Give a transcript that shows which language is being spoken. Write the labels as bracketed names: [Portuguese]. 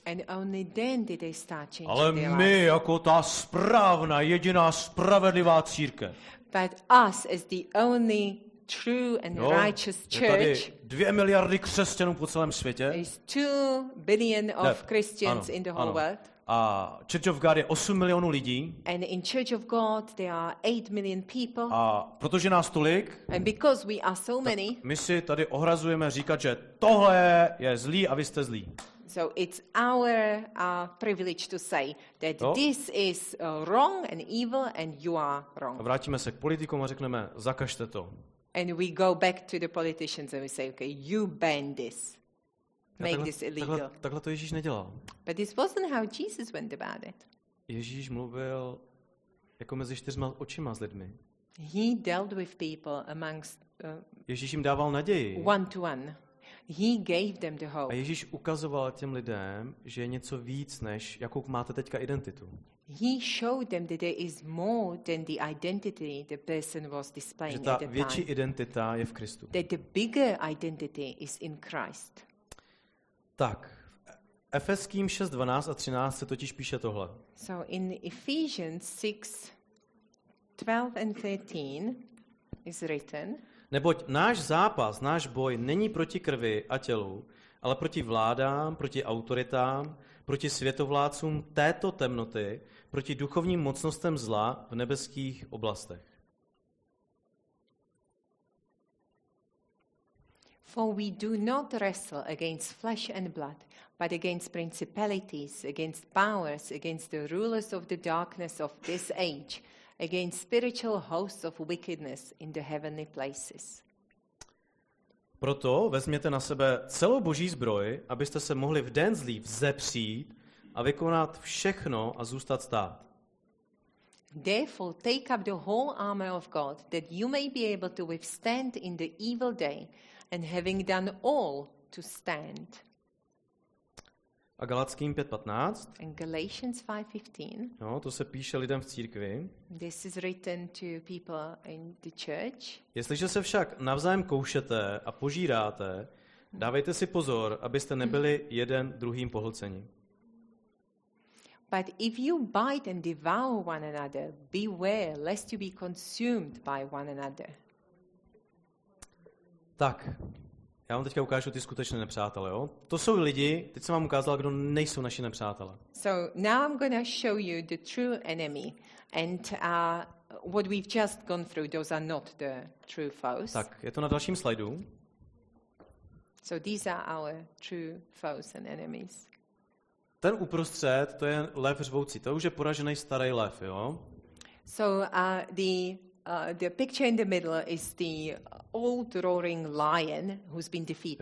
[English] And only then did they start changing their [Czech] lives. Ale my jako ta správná, jediná spravedlivá církev. [English] But us as the only true and righteous church. [Czech] Je tady 2 miliardy křesťanů po celém světě. [English] There's 2 billion of Christians in the whole world. [Czech] A Church of God je 8 milionů lidí. [English] And in Church of God there are 8 million people. [Czech] A protože nás tolik, [English] and because we are so many, [Czech] my si tady ohrazujeme říkat, že tohle je zlý a vy jste zlí. [English] So it's our privilege to say that this is wrong and evil and you are wrong. [Czech] A vrátíme se k politikům a řekneme, zakažte to. [English] And we go back to the politicians and we say, okay, you ban this. Make this illegal. [Czech] Takhle to Ježíš nedělal. [English] But this wasn't how Jesus went about it. [Czech] Ježíš mluvil jako mezi 4 očima s lidmi. [English] He dealt with people amongst [Czech] Ježíš jim dával naději. [English] One to one. He gave them the hope. [Czech] A Ježíš ukazoval těm lidem, že je něco víc než jakou máte teďka identitu. [English] He showed them that there is more than the identity the person was displaying at the time. [Czech] Že ta větší identita je v Kristu. [English] That the bigger identity is in Christ. [Czech] Tak, Efeským 6, 12 a 13 se totiž píše tohle. [English] So in Ephesians 6, 12 and 13 is written. [Czech] Neboť náš zápas, náš boj není proti krvi a tělu, ale proti vládám, proti autoritám, proti světovládcům této temnoty, proti duchovním mocnostem zla v nebeských oblastech. [English] For we do not wrestle against flesh and blood, but against principalities, against powers, against the rulers of the darkness of this age, against spiritual hosts of wickedness in the heavenly places. [Czech] Proto vezměte na sebe celou Boží zbroj, abyste se mohli v den zlý vzepřít a vykonat všechno a zůstat stát. [English] Therefore, take up the whole armor of God, that you may be able to withstand in the evil day, and having done all to stand. [Czech] A Galackým 5:15. [English] And Galatians 5:15. [Czech] No, to se píše lidem v církvi. [English] This is written to people in the church. [Czech] Jestliže se však navzájem koušete a požíráte, dávejte si pozor, abyste nebyli jeden druhým pohlceni. [English] But if you bite and devour one another, beware lest you be consumed by one another. [Czech] Tak, já vám teďka ukážu ty skutečné nepřátelé, jo? To jsou lidi, teď jsem vám ukázal, kdo nejsou naši nepřátelé. [English] So now I'm going to show you the true enemy and what we've just gone through, those are not the true foes. [Czech] Tak, je to na dalším slajdu. [English] So these are our true foes and enemies. [Czech] Ten uprostřed, to je lev řvoucí, to už je poražený starý lev, jo? [English] So the picture in the middle is the old roaring lion who's been defeated.